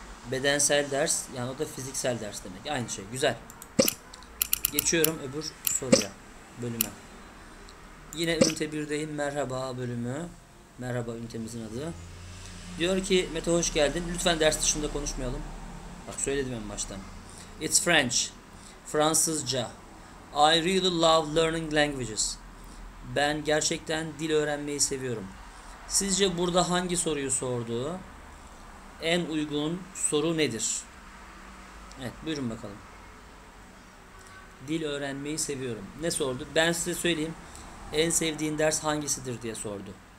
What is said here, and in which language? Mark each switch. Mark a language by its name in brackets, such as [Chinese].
[Turkish] Bedensel ders, yani o da fiziksel ders demek. Aynı şey. Güzel. Geçiyorum öbür soruya, bölüme. Yine ünite 1'deyim. Merhaba bölümü. Merhaba ünitemizin adı. Diyor ki, Mete hoş geldin. Lütfen ders dışında konuşmayalım. Bak söyledim en baştan. [English] It's French. [Turkish] Fransızca. [English] I really love learning languages. [Turkish] Ben gerçekten dil öğrenmeyi seviyorum. Sizce burada hangi soruyu sordu? En uygun soru nedir? Evet, buyurun bakalım. Dil öğrenmeyi seviyorum. Ne sordu? Ben size söyleyeyim. En sevdiğin ders hangisidir diye sordu.